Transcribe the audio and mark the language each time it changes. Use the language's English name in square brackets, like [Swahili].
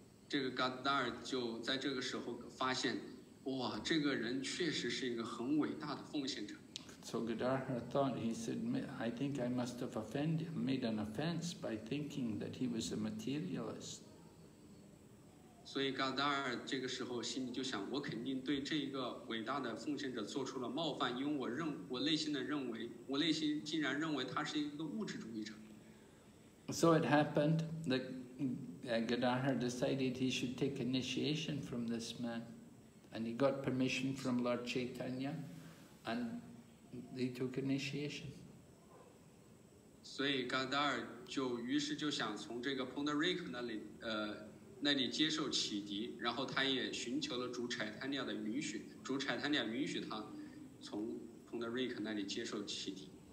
[Chinese] 这个 Gadarhar 就在这个时候发现，哇，这个人确实是一个很伟大的奉献者。 [English] So Gadarhar thought, he said, I think I must have made an offense by thinking that he was a materialist. [Chinese] 所以 Gadarhar 这个时候心里就想，我肯定对这个伟大的奉献者做出了冒犯，因为我内心竟然认为他是一个物质主义者。 [English] So it happened that Gadarhar decided he should take initiation from this man. And he got permission from Lord Chaitanya, and he took initiation. So [Chinese] Gadarhar 于是想从这个 Pundariki 那里接受启迪，然后他也寻求了主 Chaitanya 的允许，主 Chaitanya 允许他从 Pundariki 那里接受启迪。